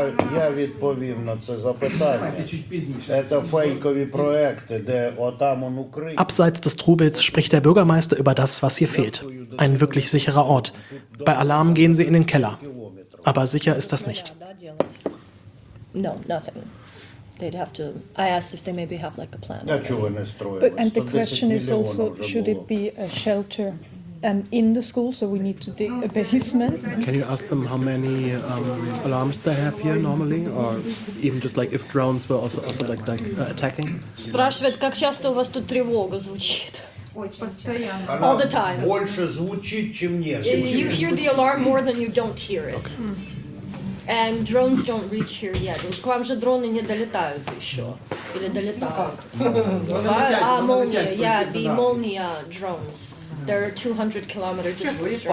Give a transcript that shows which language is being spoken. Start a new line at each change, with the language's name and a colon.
Ukrainian: Я відповів на це запитання. Це фейкові проекти, де отам он Україні.
German: Abseits des Trubels spricht der Bürgermeister über das, was hier fehlt. Ein wirklich sicherer Ort. Bei Alarm gehen sie in den Keller. Aber sicher ist das nicht.
English: No, nothing. They'd have to, I asked if they maybe have like a plan. But, and the question is also, should it be a shelter? In the school, so we need to dig a basement. Can you ask them how many alarms they have here normally, or even just like if drones were also like attacking?
Russian: Спрашивает, как часто у вас тут тревога звучит? Постоянно.
English: All the time.
Russian: Больше звучит, чем нет.
English: You hear the alarm more than you don't hear it. Okay. And drones don't reach here yet.
Russian: К вам же дроны не долетают еще. Или долетают? А молния,
English: yeah, the молния drones. There are 200 kilometers distance.